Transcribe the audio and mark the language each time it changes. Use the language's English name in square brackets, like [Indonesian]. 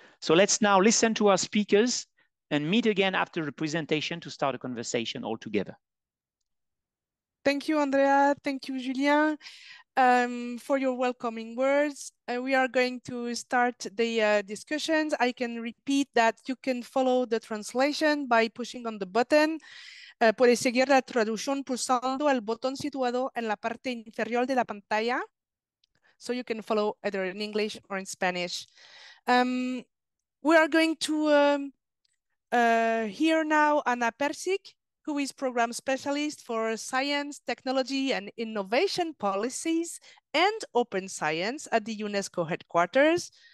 [English] So let's now listen to our speakers and meet again after the presentation to start a conversation all together. Thank you, Andrea. Thank you, Julien, for your welcoming words. We are going to start the discussions. I can repeat that you can follow the translation by pushing on the button. [Spanish] Puedes seguir la traducción pulsando el botón situado en la parte inferior de la pantalla. [English] So you can follow either in English or in Spanish. We are going to hear now Anna Persic, who is Program Specialist for Science, Technology and Innovation Policies and Open Science at the UNESCO headquarters.